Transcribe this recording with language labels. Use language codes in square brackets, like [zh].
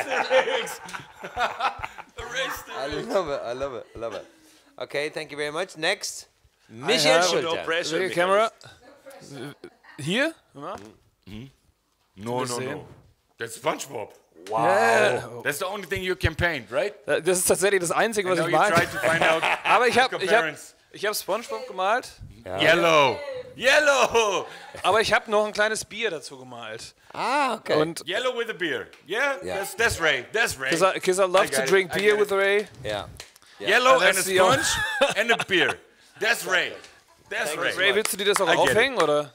[en] Erasterix. Erasterix. I love it. I love it. I love it. Okay, thank you very much. Next, Michel Schulte. I have no pressure. Your camera. No pressure. Here? No. That's SpongeBob. Wow. Yeah. That's the only thing you can paint, right? [de] Das ist tatsächlich das Einzige, was ich meine. [en] I know you tried to find out. [de] Aber ich hab SpongeBob gemalt. [en] Yeah. Yellow. [de] Aber ich habe noch ein kleines Bier dazu gemalt. [en] Ah, okay. [de] Und [en] yellow with a beer. Yeah. That's Ray. Because I love to drink beer with Ray. Yeah. Yellow and a sponge and a beer. That's Ray. [de] Ray, willst du dir das auch aufhängen oder?